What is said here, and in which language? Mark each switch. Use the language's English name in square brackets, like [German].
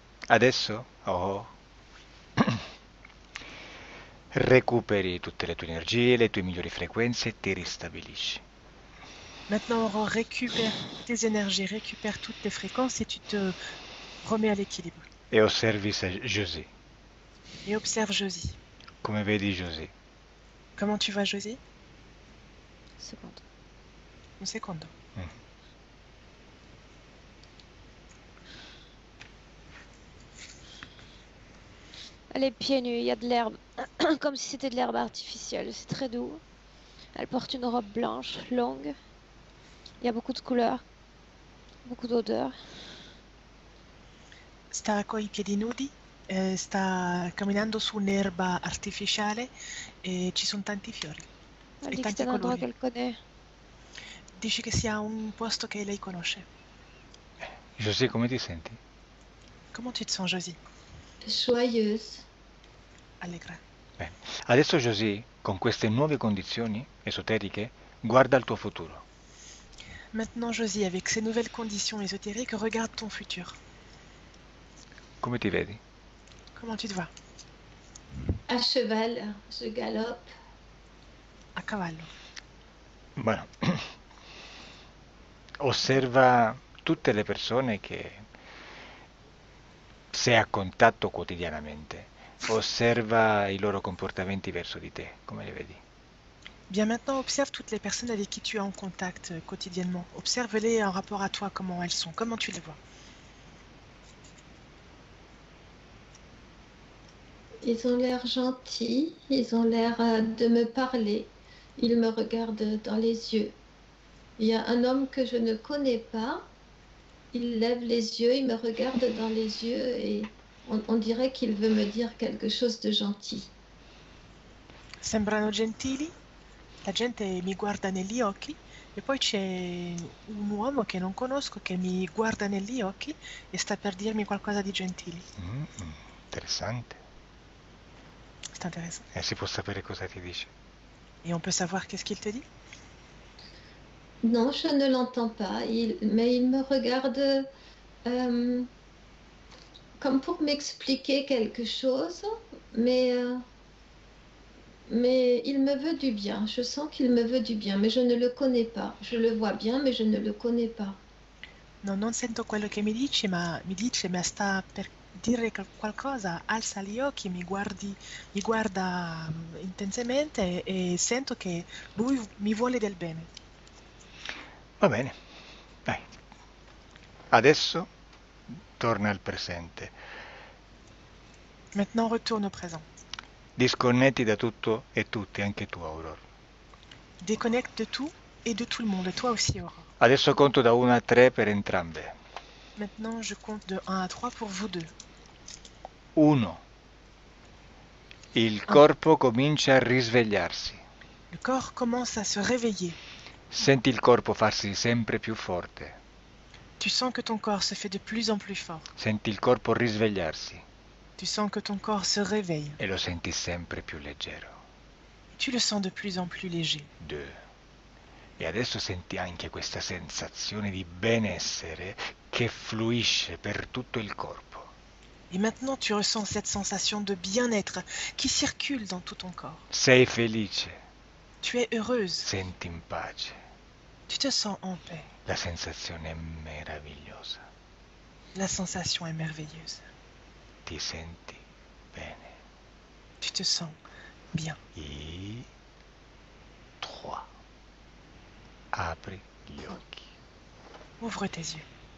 [Italian] Adesso, oh, recuperi tutte le tue energie, le tue migliori frequenze e ti ristabilisci. [French] Maintenant, on récupère tes énergies, récupère toutes tes fréquences et tu te remets à l'équilibre. [Italian] Osservi Josie. [French] Et observe Josie. [Italian] Come vedi Josie? [French] Comment tu vas, Josie? [Italian] Secondo. Un secondo. [French] Elle est pieds nus, il y a de l'herbe. Comme si c'était de l'herbe artificielle. C'est très doux. Elle porte une robe blanche, longue. Il y a beaucoup de couleurs, beaucoup d'odeurs. [Italian] Sta con i piedi nudi, sta camminando su un'erba artificiale e ci sono tanti fiori [French] Elle [Italian] e [French] dit que [Italian] tanti [French] c'est un endroit [Italian] colori. [French] qu'elle connaît. [Italian] Dici che sia un posto che lei conosce. José, come ti senti? [French] Comment tu te sens, Josie? Joyeuse. [Italian] Allegra. Bene. Adesso José, con queste nuove condizioni esoteriche, guarda al tuo futuro. [French] Maintenant, Josie, avec ces nouvelles conditions ésotériques, regarde ton futur. [Italian] Come ti vedi? [French] Comment tu te vois? À cheval, je galope. [Italian] A cavallo. Bueno, osserva tutte le persone che sei a contatto quotidianamente. Osserva i loro comportamenti verso di te, come li vedi? [French] Bien, maintenant, observe toutes les personnes avec qui tu es en contact quotidiennement. Observe-les en rapport à toi, comment elles sont, comment tu les vois. Ils ont l'air gentils, ils ont l'air de me parler, ils me regardent dans les yeux. Il y a un homme que je ne connais pas, il lève les yeux, il me regarde dans les yeux et on dirait qu'il veut me dire quelque chose de gentil. [Italian] Sembrano gentili, la gente mi guarda negli occhi e poi c'è un uomo che non conosco che mi guarda negli occhi e sta per dirmi qualcosa di gentile. Interessante. Sta interessante. E si può sapere cosa ti dice? [French] Et on peut savoir qu'est-ce qu'il te dit? Non, je ne l'entends pas, mais il me regarde comme pour m'expliquer quelque chose, mais il me veut du bien, je sens qu'il me veut du bien, mais je ne le connais pas. Je le vois bien, mais je ne le connais pas. [Italian] Non sento quello che mi dici, ma mi dice, ma sta per dire qualcosa, alza gli occhi, mi guarda intensamente e sento che lui mi vuole del bene. Va bene, dai. Adesso torna al presente. [French] Maintenant, retourne au présent. [Italian] Disconnetti da tutto e tutti, anche tu, Aurora. [French] Déconnecte de tout et de tout le monde, toi aussi, Aurore. [Italian] Adesso conto da 1 a 3 per entrambe. [French] Maintenant, je compte de 1 à 3 pour vous deux. [Italian] 1. Il [French] 1. [Italian] corpo comincia a risvegliarsi. [French] Le corps commence à se réveiller. [Italian] Senti il corpo farsi sempre più forte. [French] Tu sens que ton corps se fait de plus en plus fort. [Italian] Senti il corpo risvegliarsi. [French] Tu sens que ton corps se réveille. [Italian] E lo senti sempre più leggero. [French] Et tu le sens de plus en plus léger. [Italian] 2. E adesso senti anche questa sensazione di benessere che fluisce per tutto il corpo. [French] Et maintenant, tu ressens cette sensation de bien-être qui circule dans tout ton corps. [Italian] Sei felice. [French] Tu es heureuse. [Italian] Senti in pace. [French] Tu te sens en paix. [Italian] La sensazione è meravigliosa. [French] La sensation est merveilleuse. [Italian] Ti senti bene. [French] Tu te sens bien. [Italian] I 3. Apri gli occhi. [French] Ouvre tes yeux.